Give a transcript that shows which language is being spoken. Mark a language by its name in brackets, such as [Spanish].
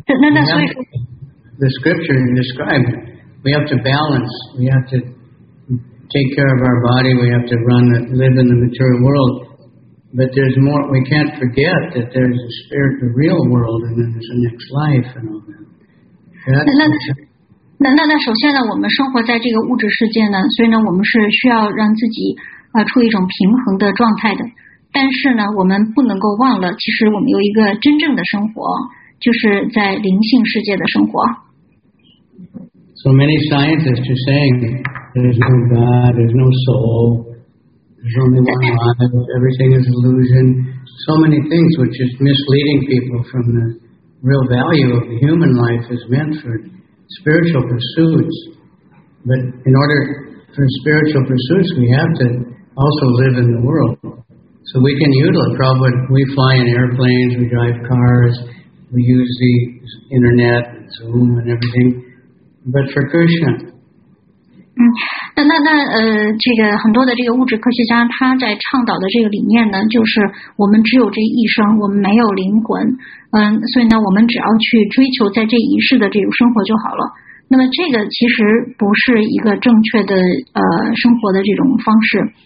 [English] The scripture described, we have to balance. We have to take care of our body. We have to live in the material world. But there's more, we can't forget that there's a spirit, the real world, and then there's a next life and all that. That's [Chinese] 首先呢，我们生活在这个物质世界呢，所以呢，我们是需要让自己处于一种平衡的状态的。但是呢，我们不能够忘了，其实我们有一个真正的生活，就是在灵性世界的生活。 [English] So many scientists are saying there's no God, there's no soul, there's only one mind, everything is illusion. So many things which is misleading people from the real value of the human life is meant for spiritual pursuits. But in order for spiritual pursuits, we have to also live in the world. So we can utilize, probably we fly in airplanes, we drive cars, we use the internet, Zoom and everything, but for Krishna. [Chinese] 这个很多的这个物质科学家他在倡导的这个理念呢，就是我们只有这一生，我们没有灵魂，所以呢，我们只要去追求在这一世的这种生活就好了。那么这个其实不是一个正确的生活的这种方式。